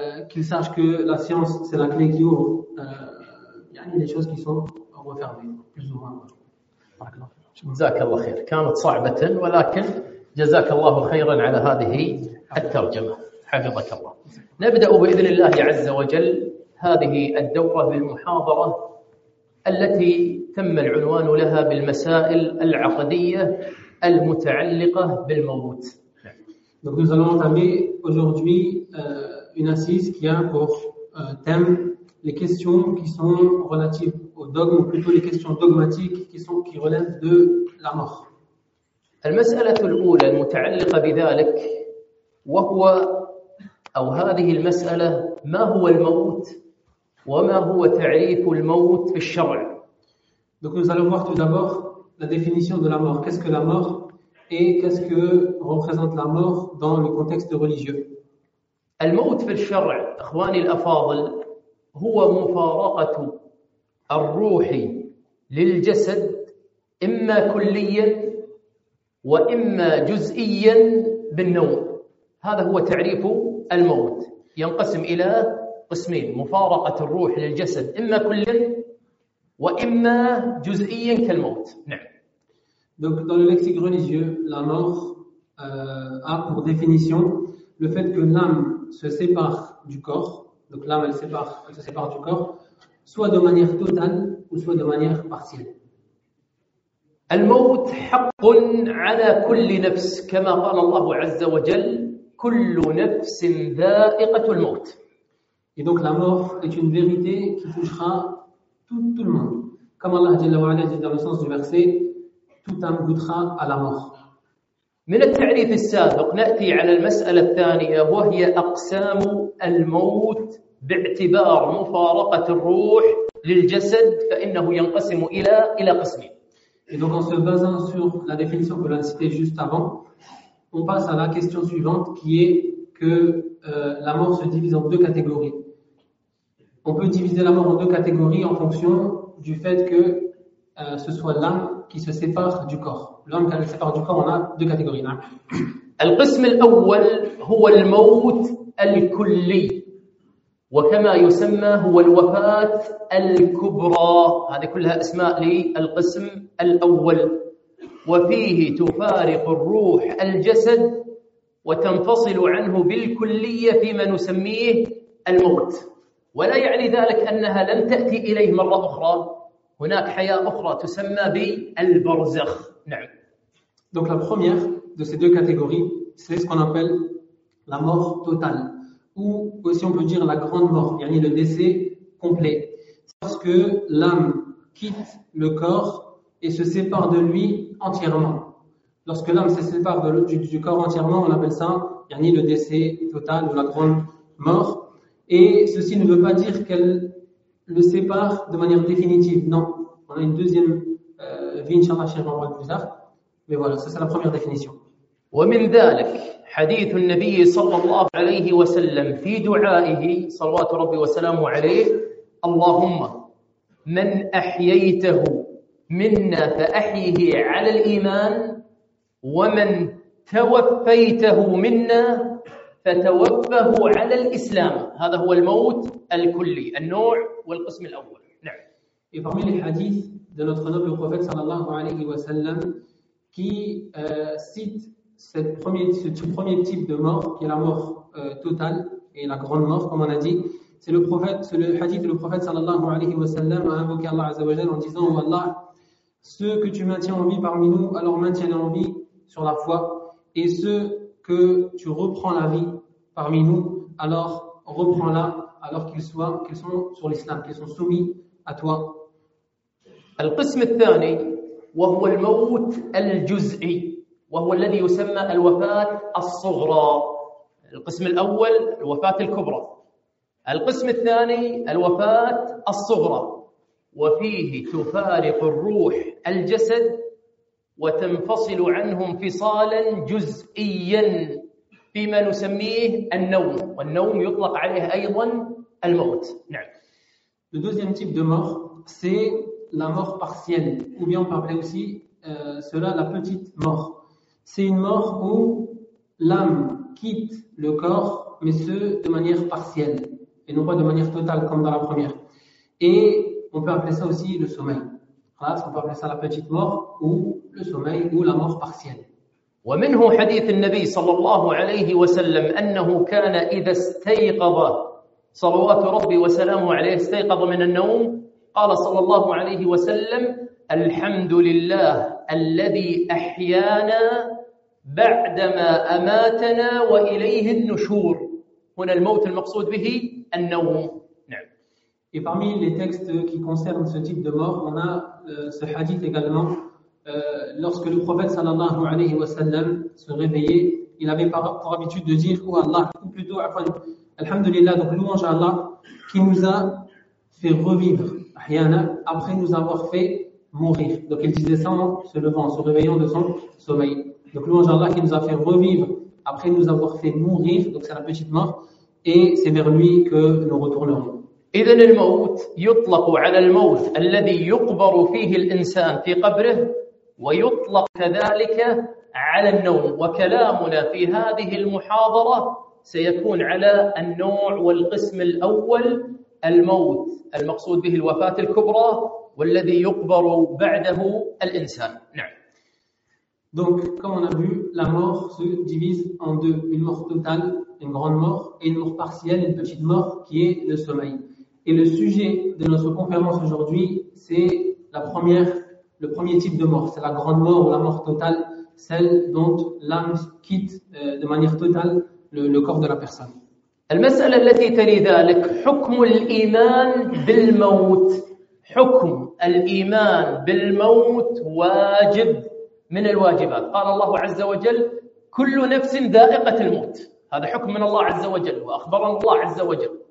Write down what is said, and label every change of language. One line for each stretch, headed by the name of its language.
French: qu'il sache que la science c'est la clé qui ouvre yani les choses qui sont refermées plus ou moins.
Arabic: جزاك الله خير. كانت صعبة ولكن جزاك الله خيرا على هذه الترجمة. حفظك الله. نبدأ بإذن الله عز وجل. ها هذه الدورة بالمحاضرة التي تم العنوان لها بالمسائل العقدية المتعلقة بالموت.
French: Donc nous allons entamer aujourd'hui une assise qui a pour thème les questions qui sont relatives au dogme, ou plutôt les questions dogmatiques qui relèvent de la mort.
Arabic: المسألة الأولى المتعلقة بذلك وهو أو هذه المسألة ما هو الموت وما هو تعريف الموت في الشرع.
French: Donc nous allons voir tout d'abord la définition de la mort. Qu'est-ce que la mort et qu'est-ce que représente la mort dans le contexte religieux.
Arabic: الموت في الشرع أخواني الأفاضل هو مفارقة الروح للجسد إما كليا وإما جزئيا بالنوم. هذا هو تعريف الموت، ينقسم إلى قسمين: مفارقة الروح للجسد إما كليا وإما جزئيا كالموت. نعم.
French: Donc dans le lexique religieux, la mort a pour définition le fait que l'âme se sépare du corps. Donc l'âme elle se sépare du corps, soit de manière totale ou soit de manière partielle.
Arabic: الموت حق على كل نفس كما قال الله عز وجل كل نفس ذائقة الموت.
French: Et donc la mort est une vérité qui touchera tout le monde. Comme Allah
Arabic: جل وعلا
French: dit dans le sens du verset, tout âme goûtera à la mort.
Arabic: من التعريف السابق نأتي على المسألة الثانية وهي أقسام الموت باعتبار مفارقة الروح للجسد فإنه ينقسم إلى قسمين.
French: Et donc en se basant sur la définition que l'on a citée juste avant, on passe à la question suivante qui est que la mort se divise en deux catégories. On peut diviser la mort en deux catégories en fonction du fait que ce soit l'âme qui se sépare du corps. L'âme qui se sépare du corps, on a deux catégories.
Arabic: Le قسم الأول هو الموت الكلي وكما يسمى هو الوفاة الكبرى. هذه كلها أسماء للقسم الأول، وفيه تفارق الروح الجسد وتنفصل عنه بالكلية فيما نسميه الموت، ولا يعني ذلك أنها لم تأتي إليه مرة أخرى، هناك حياة أخرى تسمى بالبرزخ. نعم.
French: Donc la première de ces deux catégories, c'est ce qu'on appelle la mort totale. Ou aussi on peut dire la grande mort, yani le décès complet. C'est lorsque l'âme quitte le corps et se sépare de lui entièrement. Lorsque l'âme se sépare du corps entièrement, on appelle ça yani le décès total ou la grande mort. Et ceci ne veut pas dire qu'elle le sépare de manière définitive. Non, on a une deuxième vie, Inch'Allah, chère, on va plus tard. Mais voilà, ça c'est la première définition.
Arabic: ومن ذلك حديث النبي صلى الله عليه وسلم في دعائه صلوات ربي وسلامه عليه: اللهم من أحييته منا فأحيه على الإيمان ومن توفيته منا فتوفه على الإسلام. هذا هو الموت الكلي النوع والقسم الأول. نعم.
French: Et parmi les hadiths de notre noble prophète
Arabic: صلى الله عليه وسلم
French: qui cite ce premier type de mort, qui est la mort totale et la grande mort, comme on a dit, c'est le hadith que le prophète
Arabic: sallallahu alayhi wa sallam
French: a invoqué Allah
Arabic: azza wa jalla
French: en disant: oh Allah, ceux que tu maintiens en vie parmi nous, alors maintiens-les en vie sur la foi, et ceux que tu reprends la vie parmi nous, alors reprends-la alors qu'ils sont sur l'islam, qu'ils sont soumis à toi.
Arabic: Le qism al-thani wa huwa al-mawt al-juz'i وهو الذي يسمى الوفاة الصغرى. القسم الأول الوفاة الكبرى، القسم الثاني الوفاة الصغرى، وفيه تفارق الروح الجسد وتنفصل عنه انفصالا جزئيا فيما نسميه النوم، والنوم يطلق عليه أيضا الموت. نعم.
French: Le deuxième type de mort c'est la mort partielle ou bien on parle aussi cela la petite mort. C'est une mort où l'âme quitte le corps, mais ce, de manière partielle, et non pas de manière totale, comme dans la première. Et on peut appeler ça aussi le sommeil. Voilà, on peut appeler ça la petite mort, ou le sommeil, ou la mort partielle.
Arabic: ومنه حديث النبي صلى الله عليه وسلم أنه كان إذا استيقظ صلوات ربي وسلامه عليه استيقظ من النوم قال صلى الله عليه وسلم الحمد لله الذي أحيانا بعدما أماتنا وإليه النشور. هنا الموت المقصود به النوم. نعم.
French: Et parmi les textes qui concernent ce type de mort, on a ce hadith également. Lorsque le prophète sallallahu alayhi wa sallam se réveillait, il avait pour habitude de dire oh Allah, ou plutôt Alhamdulillah, donc louange à Allah qui nous a fait revivre ahyana, après nous avoir fait mourir. Donc il disait ça en se levant, en se réveillant de son sommeil. Donc louange à Allah qui nous a fait revivre après nous avoir fait mourir, donc c'est la petite mort, et c'est vers lui que nous retournerons.
Arabic: إذن الموت يطلق على الموت الذي يقبر فيه الإنسان في قبره ويطلق كذلك على النوم وكلامنا في هذه المحاضرة سيكون على النوع والقسم الأول الموت المقصود به الوفاة الكبرى والذي يقبر بعده الإنسان. نعم.
French: Donc, comme on a vu, la mort se divise en deux, une mort totale, une grande mort, et une mort partielle, une petite mort qui est le sommeil. Et le sujet de notre conférence aujourd'hui, c'est le premier type de mort, c'est la grande mort ou la mort totale, celle dont l'âme quitte de manière totale le corps de la personne.
Arabic: المسألة التي تلي ذلك حكم الإيمان بالموت. حكم الإيمان بالموت واجب من الواجبات. قال الله عز وجل كل نفس ذائقة الموت. هذا حكم من الله عز وجل وأخبرنا الله عز وجل.